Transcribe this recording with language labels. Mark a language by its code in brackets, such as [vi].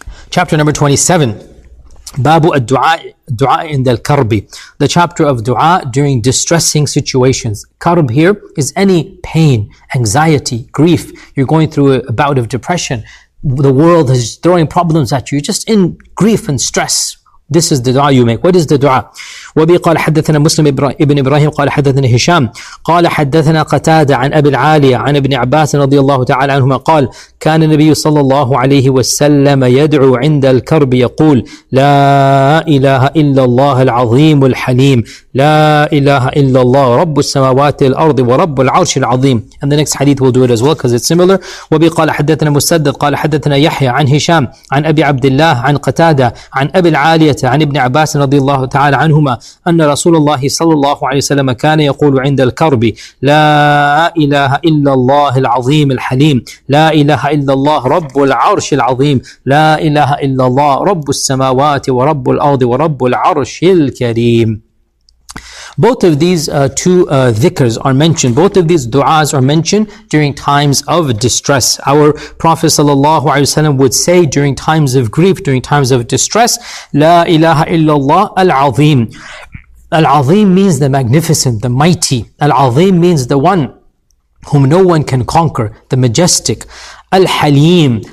[en] Chapter number 27. Babu ad-du'a in al-karbi. The chapter of du'a during distressing situations. Karb here is any pain, anxiety, grief. You're going through a bout of depression. The world is throwing problems at you. You're just in grief and stress. This is the dua you make. What is the dua? [ar] وبي قال حدثنا مسلم ابن إبراهيم قال حدثنا هشام قال حدثنا قتادة عن أبي العالية عن ابن عباس رضي الله تعالى عنهما قال كان النبي صلى الله عليه وسلم يدعو عند الكرب يقول لا إله إلا الله العظيم الحليم لا إله إلا الله رب السماوات الأرض ورب العرش العظيم. [en] And the next hadith we'll do it as well because it's similar. [ar] وبي قال حدثنا مسدد قال حدثنا يحيى عن هشام عن أبي عبد الله عن قتادة عن أبي العالية عن ابن عباس رضي الله تعالى عنهما أن رسول الله صلى الله عليه وسلم كان يقول عند الكرب لا إله إلا الله العظيم الحليم لا إله إلا الله رب العرش العظيم لا إله إلا الله رب السماوات ورب الأرض ورب العرش الكريم. [en] Both of these two dhikrs are mentioned. Both of these du'as are mentioned during times of distress. Our Prophet sallallahu alaihi wasallam would say during times of grief, during times of distress, La ilaha illallah al-azim. Al-azim means the magnificent, the mighty. Al-azim means the one whom no one can conquer, the majestic. Al-Halim.